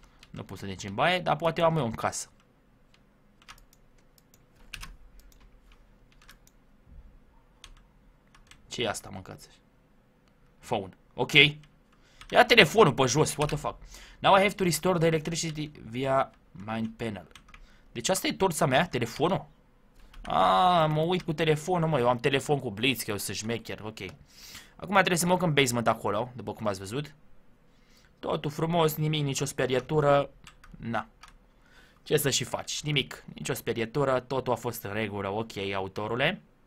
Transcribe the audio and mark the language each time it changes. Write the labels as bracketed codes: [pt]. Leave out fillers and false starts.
[ro] Nu pus nici în baie, dar poate am eu în casă. Ce e asta, mâncați? Phone. Ok. Ia telefonul pe jos, [en] what the fuck. Now I have to restore the electricity via main panel. [ro] Deci asta e torța mea, telefonul? Mă uit cu telefonul, mă, eu am telefon cu blitz, că eu sunt șmecher, ok. Acum trebuie să mă urc în basement acolo, după cum ați văzut. Totul frumos, nimic, nicio sperietură. Na. Ce să și faci, nimic, nicio sperietură, totul a fost în regulă, ok, autorule.